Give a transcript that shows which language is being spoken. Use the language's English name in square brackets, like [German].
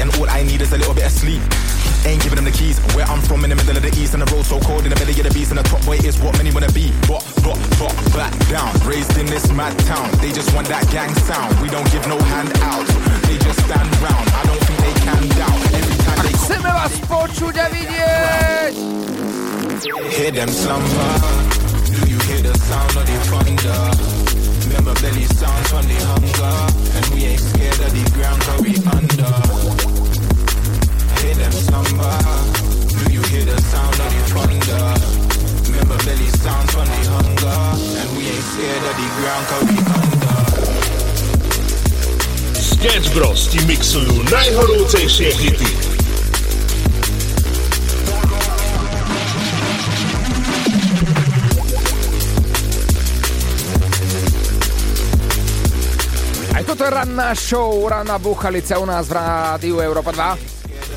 [English] And all I need is a little bit of sleep. Ain't giving them the keys. Where I'm from in the middle of the east. And the road so cold in the belly of the beast. And the top boy is what many wanna be. But back down. Raised in this mad town. They just want that gang sound. We don't give no hand out. They just stand round. I don't think they can doubt. Every time they come. [Slovak] Chceme vás počuť a vidieť. [English] Hear them slumber. Do you hear the sound of the thunder? Remember belly sounds from the hunger. And we ain't scared of the ground cause we under. Hear them slumber. Do you hear the sound of the thunder? Remember belly sounds from the hunger. And we ain't scared of the ground cause we under. [Slovak] Sketch Bros ti mixujú najhorúcejšie hity. Aj toto je ranná show, ranná búchalica u nás v rádiu Európa 2.